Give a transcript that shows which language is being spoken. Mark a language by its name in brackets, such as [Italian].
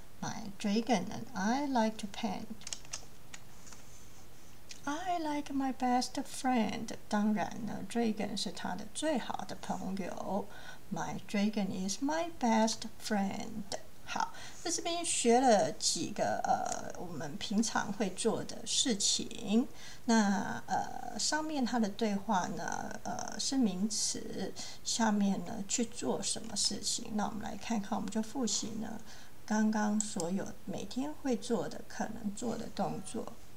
[English] My dragon and I like to paint. I like my best friend. [Chinese] 当然呢 ,dragon 是他的最好的朋友。 [English] My dragon is my best friend. [Chinese] 好，在这边学了几个、我们平常会做的事情。那、上面他的对话呢、是名词，下面呢去做什么事情，那我们来看看，我们就复习呢刚刚所有每天会做的可能做的动作。